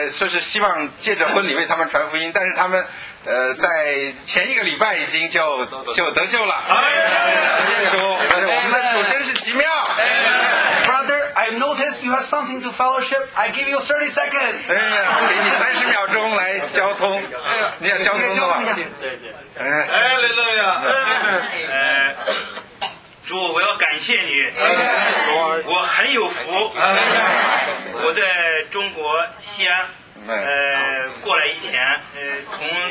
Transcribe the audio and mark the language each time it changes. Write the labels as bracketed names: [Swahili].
[Chinese] 柯山林弟兄呢是两个礼拜前得救，然后他的这个哥哥姊妹的母亲呢已经今年早些时候已经都得救，然后这个管启明弟兄的父母呢是这个他的得救呢是一个就是连管启明弟兄自己都没有料到，就是我们昨天知道说是为说是希望借着婚礼为他们传福音，但是他们。在前一个礼拜已经就得救了。谢谢主，我们的主真是奇妙。 [English] Brother, I noticed you have something to fellowship. I give you 30 seconds. [Chinese] 给你30秒钟来交通，你要交通的吧？哎，雷路亚，主，我要感谢你，我很有福。我在中国西安，过来以前，从。